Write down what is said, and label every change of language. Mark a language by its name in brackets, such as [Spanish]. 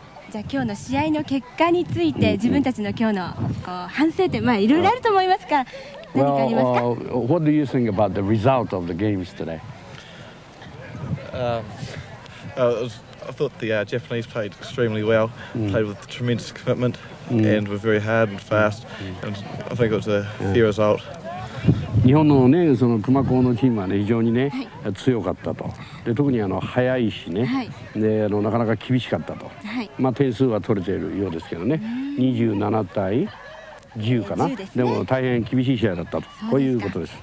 [Japanese] じゃあ今日の試合の結果について、自分たちの今日のこう反省点、まあいろいろあると思いますから、何かありますか [English] ？Well, what do you think about the result of the games today? I thought the Japanese played extremely well, played with tremendous commitment, and were very hard and fast, and I think it was a fair result. [Japanese] 日本のね、その熊高のチームはね、非常にね、はい、強かったと。で、特に速いしね、はい、で、なかなか厳しかったと。はい、まあ点数は取れているようですけどね、27対10かな。でも大変厳しい試合だったと、こういうことです。